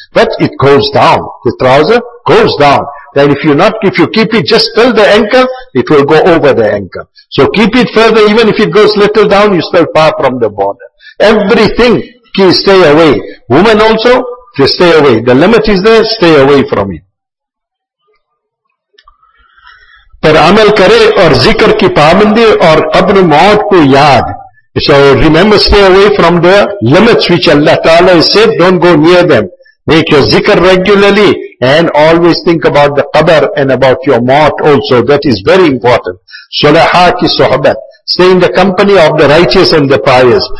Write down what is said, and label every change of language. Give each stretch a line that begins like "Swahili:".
English: But it goes down. The trouser goes down. Then if you keep it just till the ankle, it will go over the ankle. So keep it further, even if it goes little down, you're still far from the border. Everything, can stay away. Woman also, just stay away. The limit is there, stay away from it.
Urdu: پر عمل کرے اور ذکر کی پابندی اور قبر موت کو یاد.
English: So remember, stay away from the limits which Allah Ta'ala has said, don't go near them. Make your zikr regularly, and always think about the qabr and about your mort also. That is very important.
Urdu: Sulaha ki sohbat,
English: stay in the company of the righteous and the pious.